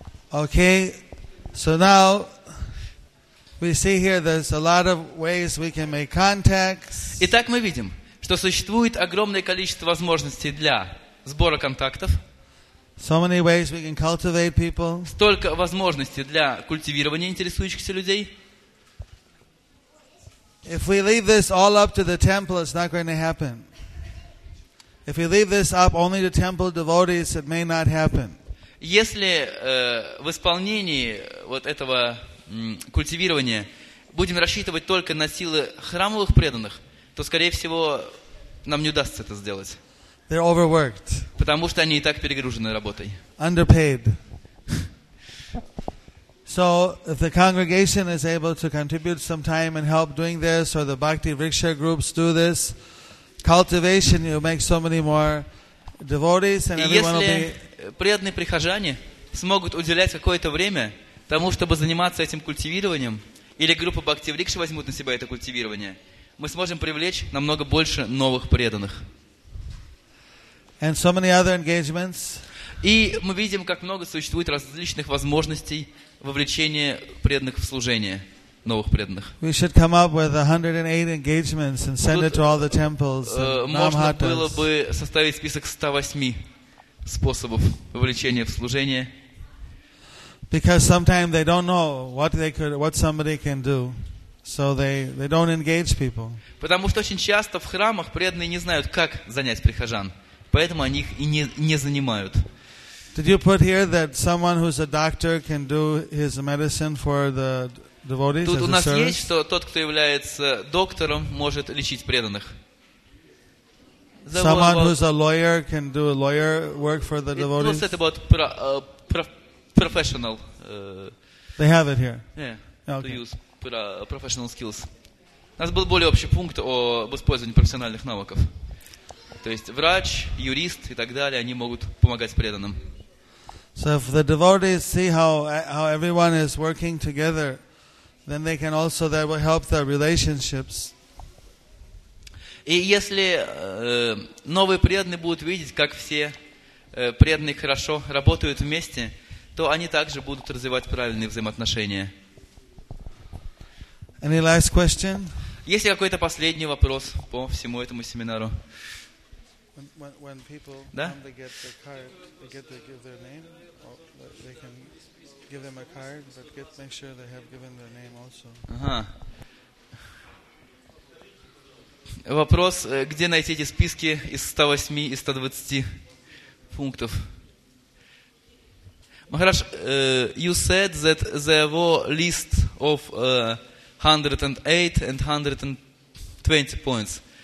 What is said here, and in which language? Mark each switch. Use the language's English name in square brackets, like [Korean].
[English] Okay, so now we see here there's a lot of ways we can make contacts. [Russian] Итак, мы видим, что существует огромное количество возможностей для сбора контактов. [English] So many ways we can cultivate people. [Russian] Столько возможностей для культивирования интересующихся людей. [English] If we leave this all up to the temple, it's not going to happen. If we leave this up only to temple devotees, it may not happen. [Russian] Если в исполнении вот этого культивирования будем рассчитывать только на силы храмовых преданных, то, скорее всего, нам не удастся это сделать. [English] They're overworked. [Russian] Потому что они и так перегружены работой. [English] Underpaid. So, if the congregation is able to contribute some time and help doing this, or the Bhakti Vriksha groups do this, cultivation, you make so many more devotees, and everyone will be. [Russian] И если преданные прихожане смогут уделять какое-то время тому, чтобы заниматься этим культивированием, или группа Бхакти Вриксха возьмут на себя это культивирование, мы сможем привлечь намного больше новых преданных. [English] And so many other engagements. [Russian] И мы видим, как много существует различных возможностей вовлечения преданных в служение, новых преданных. [English] We should come up with 108 engagements and send it to all the temples. [Russian] Можно было бы составить список 108 способов вовлечения в служение. [English] Because sometimes they don't know what somebody can do. So they don't engage people. [Russian] Потому что очень часто в храмах преданные не знают, как занять прихожан. Поэтому они их и не занимают. [English] Did you put here that someone who's a doctor can do his medicine for the devotees? [Russian] Тут у нас есть, что тот, кто является доктором, может лечить преданных. [English] Someone who's a lawyer can do a lawyer work for the devotees. It was said about professional. They have it here. Yeah. Okay. To use professional skills. [Russian] У нас был более общий пункт об использовании профессиональных навыков. То есть врач, юрист и так далее, они могут помогать преданным. [English] So if the devotees see how everyone is working together, then they can also, that will help their relationships. [Russian] И если новые преданные будут видеть, как все преданные хорошо работают вместе, то они также будут развивать правильные взаимоотношения. [English] Any last question? [Russian] Есть ли какой-то последний вопрос по всему этому семинару? [English] When people [Russian] да? [English] come, they get the card, they get to give their name, or they can give them a card, but get make sure they have given their name also. [Russian] Ага. Вопрос, где найти эти списки из 108 и 120 пунктов? [English] Махараш, you said that there were list of 108 and 120 points.